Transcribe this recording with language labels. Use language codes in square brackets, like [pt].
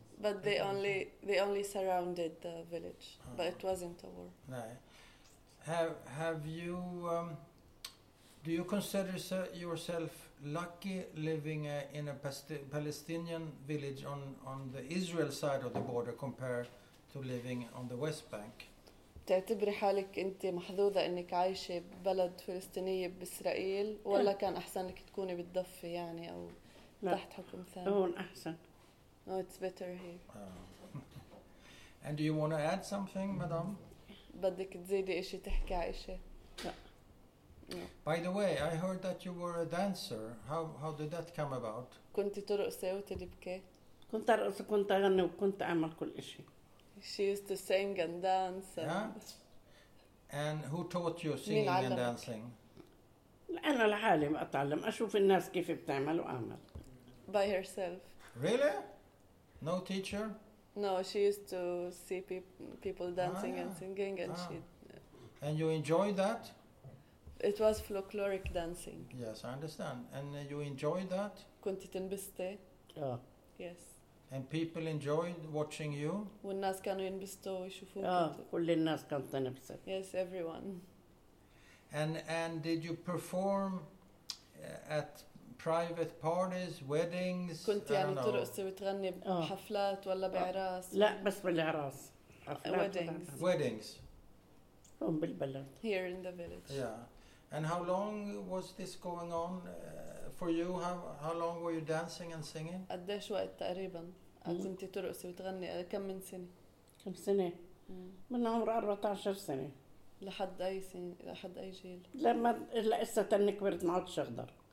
[en] But they only surrounded the village, but it wasn't a war. No. Have you? Do you consider yourself lucky living in a Palestinian village on the Israel side of the border compared to living on the West Bank? [ar] تعتبر حالك أنت محظوظة إنك عايشة ببلد فلسطيني بإسرائيل ولا كان أحسن لك تكوني بالضفة يعني أو تحت حكم ثاني؟ هون أحسن. [en] No, it's better here. And do you want to add something, madame? [ar] بدك تزيدي إشي تحكي عايشه. [en] By the way, I heard that you were a dancer. How did that come about? [ar] كنت ترقص وتبكي. كنت ارقص وكنت اغني وكنت اعمل كل إشي. [en] She used to sing and dance. And who taught you singing and dancing? [ar] انا لحالي بتعلم اشوف الناس كيف بتعمل واعمل. [en] by herself. Really? No teacher? No, she used to see people dancing and singing, and she. And you enjoyed that? It was folkloric dancing. Yes, I understand. And you enjoyed that? [ar] كنت تنبسطي. [en] Yeah. Yes. And people enjoyed watching you? [ar] والناس كانوا ينبسطوا ويشوفوك. كل الناس كانت تنبسط. [en] Yes, everyone. And did you perform at private parties, weddings? [ar] كنت يعني ترقص وتغني بحفلات ولا بعراس؟ لا بس بالعراس. [en] Weddings. Weddings. [ar] هون بالبلد. [en] Here in the village. Yeah. And how long was this going on for you? How long were you dancing and singing? [ar] قديش وقت تقريبا كنت ترقص وتغني كم من سنة؟ كم سنة؟ من عمر 14 سنة. لحد أي سنة؟ لحد أي جيل؟ لما لسه تاني كبرت ما عدتش أقدر.